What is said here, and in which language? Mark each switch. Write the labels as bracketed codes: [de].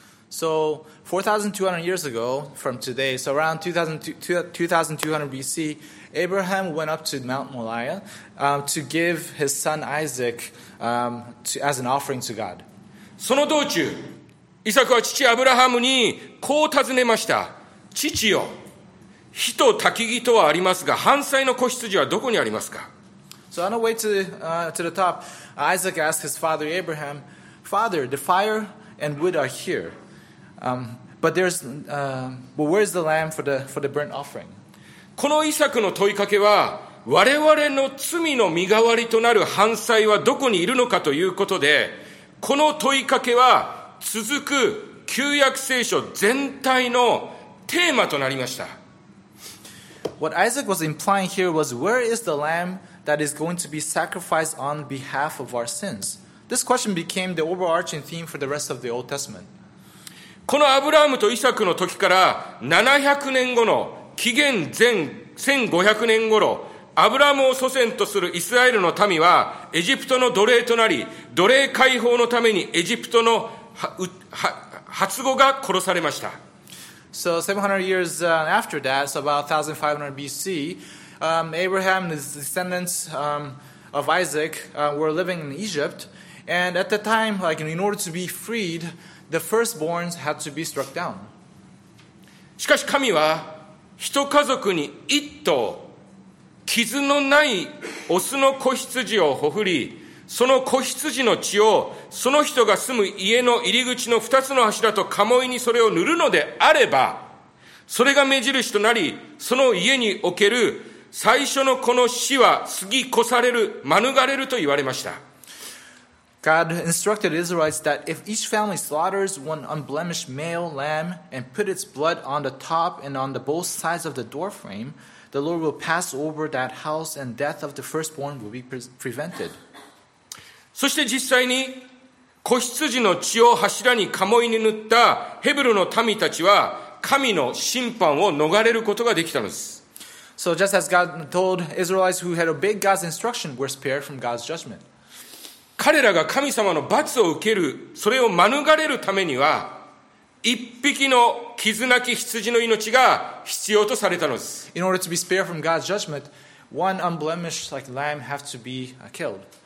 [en] So 4200 years ago from today, so around 2200 BC, Abraham went up to Mount Moriah, to give his son Isaac, as an offering to God. [ja] その道中、イサクは父アブラハムにこう尋ねました。父よ、火と焚き木とはありますが、燔祭の子羊はどこにありますか。 [en] So on the way to the top, Isaac asked his father Abraham, "Father, the fire and wood are here, but where is the lamb for the burnt offering?" [ja] このイサクの問いかけは我々の罪の身代わりとなる犯罪はどこにいるのかということで、この問いかけは続く旧約聖書全体のテーマとなりました。 [en] What Isaac was implying here was, where is the lamb that is going to be sacrificed on behalf of our sins? This question became the overarching theme for the rest of the Old Testament. [ja] このアブラムとイサクの時から700年後の紀元前1500年頃、アブラムを祖先とするイスラエルの民はエジプトの奴隷となり、奴隷解放のためにエジプトの初子が殺されました。 [en] So 700 years after that, so about 1500 BC, Abraham and his descendants of Isaac were living in Egypt, and at the time, like in order to be freed, the firstborns had to be struck down. [ja] しかし神は一家族に一頭傷のないオスの子羊をほふり、その子羊の血をその人が住む家の入り口の二つの柱と鴨居にそれを塗るのであれば、それが目印となり、その家における最初のこの死は過ぎ越される、免れると言われました。 [en] God instructed Israelites that if each family slaughters one unblemished male lamb and put its blood on the top and on the both sides of the door frame, the Lord will pass over that house and death of the firstborn will be prevented. [ja] そして実際に子羊の血を柱に鴨居に塗ったヘブルの民たちは神の審判を逃れることができたのです。 [en] So just as God told Israelites who had obeyed God's instruction were spared from God's judgment. [ja] 彼らが神様の罰を受ける、それを免れるためには、一匹の傷なき羊の命が必要とされたのです。 [en] In order to be spared from God's judgment, one unblemished like lamb has to be killed.